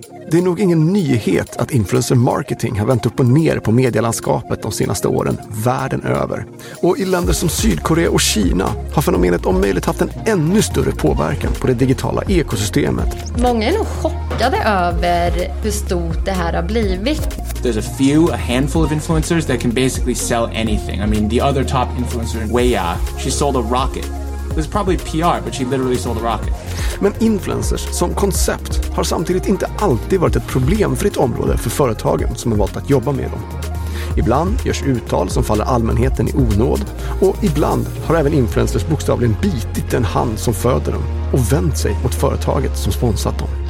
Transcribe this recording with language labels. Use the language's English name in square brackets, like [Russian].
[Swedish] Det är nog ingen nyhet att influencer marketing har vänt upp och ner på medielandskapet de senaste åren världen över. Och i länder som Sydkorea och Kina har fenomenet om möjligt haft en ännu större påverkan på det digitala ekosystemet. Många är nog chockade över hur stort det här har blivit. [English] There's a few, a handful of influencers that can basically sell anything. I mean, the other top influencer, Weiya, she sold a rocket. This is probably PR, but she literally sold a rocket. [Swedish] Men influencers som koncept har samtidigt inte alltid varit ett problemfritt område för företagen som har valt att jobba med dem. Ibland görs uttal som faller allmänheten i onåd. Och ibland har även influencers bokstavligen bitit den hand som föder dem och vänt sig mot företaget som sponsrat dem.